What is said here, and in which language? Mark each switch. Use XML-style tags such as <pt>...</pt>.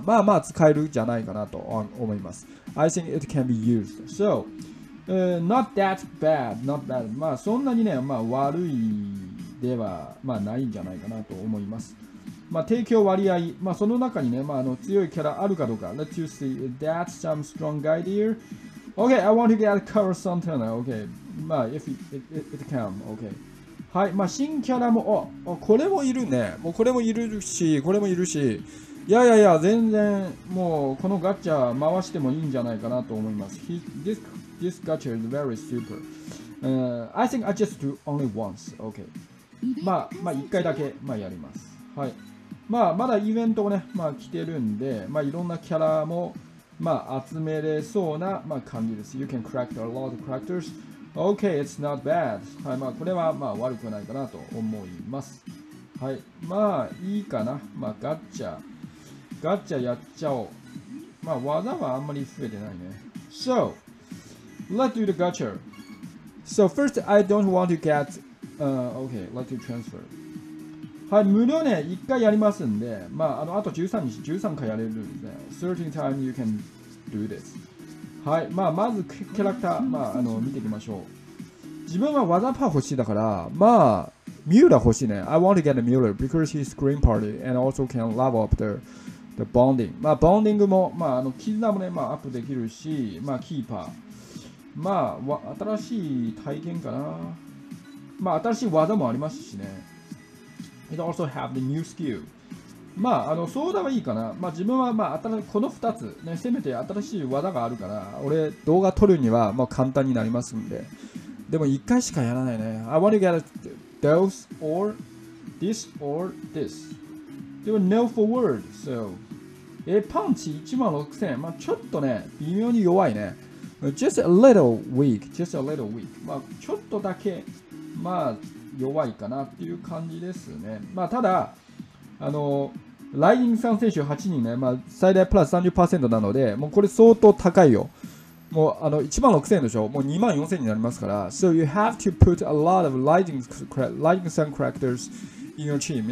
<ja>まあまあ使えるじゃないかなと思います。</ja> <en>I think it can be used. So、not that bad, not bad.</en> <ja>まあそんなにね、まあ悪いでは、まあ、ないんじゃないかなと思います。まあ提供割合、まあその中にね、まあ、強いキャラあるかどうか。</ja> <en>Let you see that some strong guy there. Okay, I want to get Carlos Santana. Okay, まあ if it can. Okay.</en> <ja>はい、まあ、新キャラも、あ、これもいるね。もうこれもいるし、これもいるし。いやいやいや、全然、もう、このガチャ回してもいいんじゃないかなと思います。</ja> <en>This gacha is very super. I think I just do only once. Okay.</en> <ja>まあ、まあ、一回だけ、まあ、やります。はい。まあ、まだイベントもね、まあ、来てるんで、まあ、いろんなキャラも、まあ、集めれそうな、まあ、感じです。</ja> <en>You can collect a lot of characters. Okay, it's not bad.</en> <ja>はい、まあ、これは、まあ、悪くないかなと思います。はい、まあ、いいかな。まあ、ガッチャやっちゃおう。まあ、技はあんまり増えてないね。</ja> <en>So, let's do the gacha. So, first, I don't want to get OK、Let you transfer。</en> <ja>はい、無料ね、一回やりますんで、まあ、あと13日、13回やれるんで、</ja> <en>13 time you can do this。</en> <ja>はい、まあ、まずキャラクター、まあ、見ていきましょう。自分は技パー欲しいだから、まあ、ミューラー欲しいね。</ja> <en>I want to get a Mueller because he's screen party and also can level up the bonding。</en> <ja>まあ、ボンディングも、まあ、絆もね、まあ、アップできるし、まあ、キーパー。まあ、新しい体験かな。まあ、新しい技もありますしね。</ja> <en>It also have the new skill。</en> <ja>まあ、相談はいいかな。まあ、自分は、まあ、この2つ、ね、せめて新しい技があるから、俺、動画撮るには、まあ、簡単になりますんで。でも、1回しかやらないね。</ja> <en>I want to get a dose or this or this。 でも、no forward。</en> <ja>So、パンチ1万6000。まあ、ちょっとね、微妙に弱いね。</ja> <en>Just a little weak。 Just a little weak。</en> <ja>まあ、ちょっとだけ、まあ、弱いかなっていう感じですね。まあ、ただ、ライディングさん選手8人ね、まあ、最大プラス 30% なので、もうこれ相当高いよ。もう、1万6000でしょ。もう2万4000になりますから。</ja> <en>So you have to put a lot of ライディングさん characters in your team.</en>